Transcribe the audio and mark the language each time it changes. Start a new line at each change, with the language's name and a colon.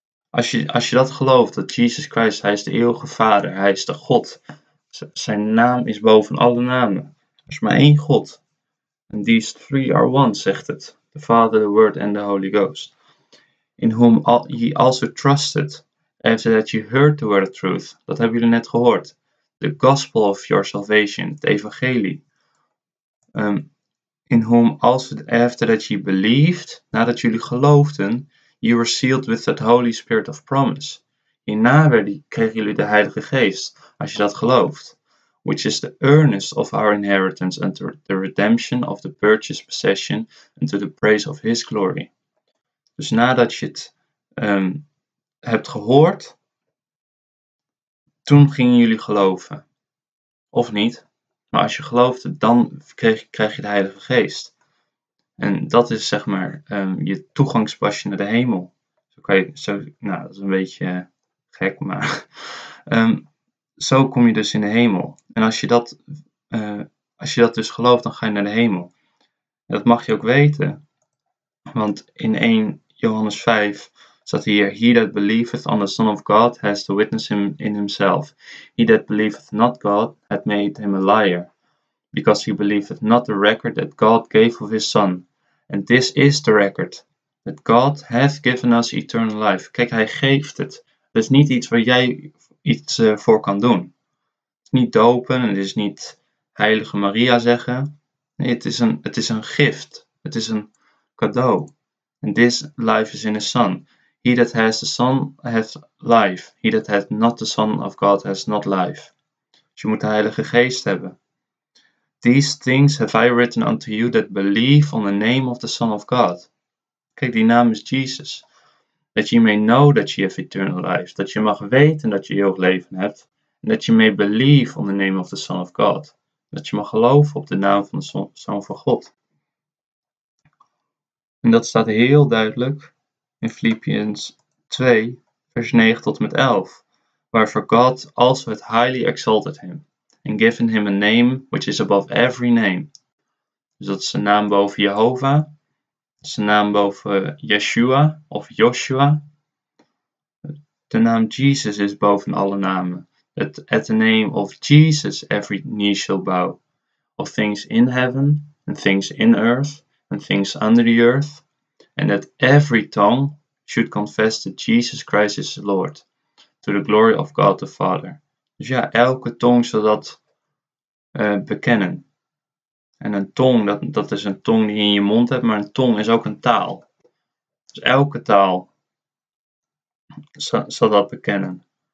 Dutch: Als je dat gelooft, dat Jezus Christus, hij is de eeuwige Vader, hij is de God. Zijn naam is boven alle namen. Er is maar één God.
English: And these three are one,
Dutch: zegt het.
English: The Father, the Word and the Holy Ghost. In whom ye also trusted, after that ye heard the word of truth.
Dutch: Dat hebben jullie net gehoord.
English: The gospel of your salvation,
Dutch: het evangelie.
English: In whom also, after that ye believed,
Dutch: nadat jullie geloofden,
English: ye were sealed with that Holy Spirit of promise.
Dutch: Hierna kregen jullie de Heilige Geest, als je dat gelooft.
English: Which is the earnest of our inheritance unto the redemption of the purchased possession unto the praise of his glory.
Dutch: Dus nadat je het hebt gehoord, toen gingen jullie geloven. Of niet, maar als je geloofde, dan krijg je de Heilige Geest. En dat is zeg maar je toegangspasje naar de hemel. Dat is een beetje gek, maar... Zo kom je dus in de hemel. En als je dat dus gelooft, dan ga je naar de hemel. En dat mag je ook weten. Want in 1 Johannes 5 staat hier:
English: He that believeth on the Son of God has the witness in himself. He that believeth not God hath made him a liar. Because he believeth not the record that God gave of his Son. And this is the record. That God hath given us eternal life.
Dutch: Kijk, hij geeft het. Het is niet iets waar jij... iets voor kan doen. Het is niet dopen, het is niet Heilige Maria zeggen. Nee, het is een gift. Het is een cadeau.
English: And this life is in the Son. He that has the Son hath life. He that hath not the Son of God has not life.
Dutch: Dus je moet de Heilige Geest hebben.
English: These things have I written unto you that believe on the name of the Son of God.
Dutch: Kijk, die naam is Jesus.
English: That you may know that you have eternal life.
Dutch: Dat je mag weten dat je eeuwig leven hebt. En dat je
English: may believe on the name of the Son of God.
Dutch: Dat je mag geloven op de naam van de Zoon van God. En dat staat heel duidelijk in Filippiërs 2, vers 9 tot en met 11.
English: Wherefore God also had highly exalted him. And given him a name which is above every name.
Dutch: Dus dat is de naam boven Jehovah. Zijn naam boven Yeshua of Joshua. De naam Jesus is boven alle namen.
English: That at the name of Jesus every knee shall bow. Of things in heaven and things in earth and things under the earth. And that every tongue should confess that Jesus Christ is the Lord. To the glory of God the Father.
Dutch: Dus ja, elke tong zal dat bekennen. En een tong, dat is een tong die je in je mond hebt, maar een tong is ook een taal. Dus elke taal zal dat bekennen.